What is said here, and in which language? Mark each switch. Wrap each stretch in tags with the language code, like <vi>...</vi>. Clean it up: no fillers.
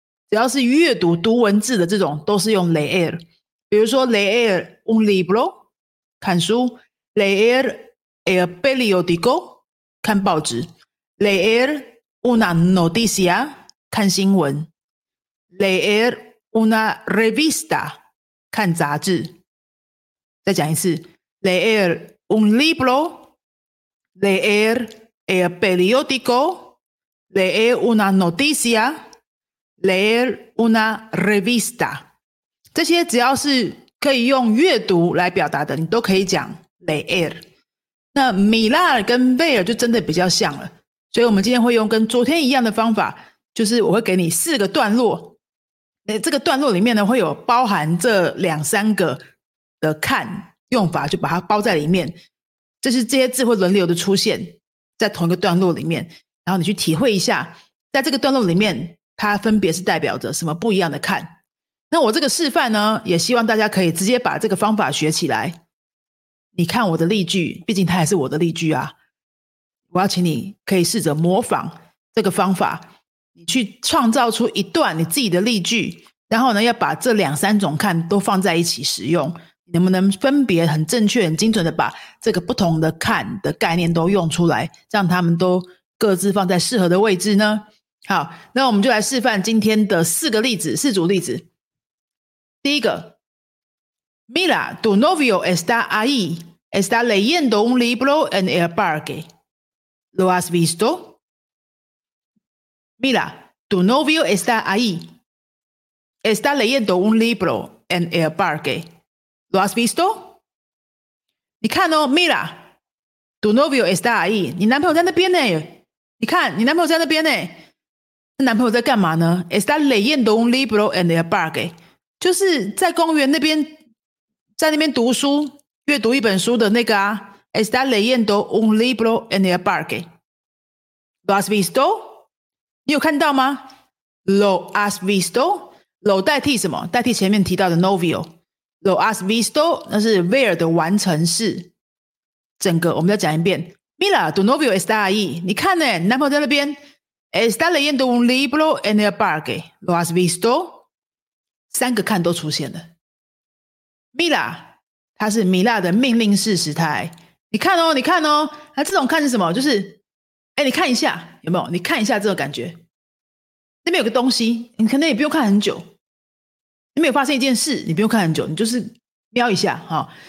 <zh>只要是阅读读文字的这种都是用 leer， 比如说</zh> <es>leer un libro</es> <zh>看书，</zh> <es>leer el periódico</es> <zh>看报纸，</zh> <es>leer una noticia</es> <zh>看新闻，</zh> <es>leer una revista</es> <zh>看杂志。再讲一次，</zh> <es>leer un libro， leer el periódico， leer una noticiaLeer una revista，</es> <zh>这些只要是可以用阅读来表达的你都可以讲 leer。那 mirar 跟 ver 就真的比较像了，所以我们今天会用跟昨天一样的方法，就是我会给你四个段落，这个段落里面呢会有包含这两三个的看用法，就把它包在里面，就是这些字会轮流的出现在同一个段落里面，然后你去体会一下在这个段落里面它分别是代表着什么不一样的看。那我这个示范呢也希望大家可以直接把这个方法学起来。你看我的例句，毕竟它还是我的例句啊，我要请你可以试着模仿这个方法，你去创造出一段你自己的例句，然后呢要把这两三种看都放在一起使用，你能不能分别很正确很精准的把这个不同的看的概念都用出来，让他们都各自放在适合的位置呢？好，那我们就来示范今天的四个例子，四组例子。第一个，</zh> <es>Mira, tu novio está ahí, está leyendo un libro en el parque. ¿Lo has visto? Mira, tu novio está ahí, está leyendo un libro en el parque. ¿Lo has visto?</es> <zh>你看哦，</zh> <es>Mira, tu novio está ahí,</es> <zh>你男朋友在那边呢，你看你男朋友在那边呢。那男朋友在干嘛呢？</zh> <es>Está leyendo un libro en el parque，</es> <zh>就是在公园那边，在那边读书，阅读一本书的那个啊。</zh> <es>Está leyendo un libro en el parque. ¿Lo has visto?</es> <zh>你有看到吗？</zh> <es>¿Lo has visto? ¿Lo</es> <zh>代替什么？代替前面提到的 novio。</zh> <es>¿Lo has visto?</es> <zh>那是 ver 的完成式。整个我们再讲一遍，</zh> <es>Mira, tu novio está ahí，</es> <zh>你看欸，男朋友在那边。</zh> <es>Está leyendo un libro en el parque. ¿Lo has visto?</es> <zh>三个看都出现了。 Mira， 它是 Mira 的命令式时态。你看哦，你看哦，那这种看是什么？就是，哎，你看一下，有没有？你看一下这种感觉。那边有个东西，你可能也不用看很久。那边有发生一件事，你不用看很久，你就是瞄一下哈。</zh>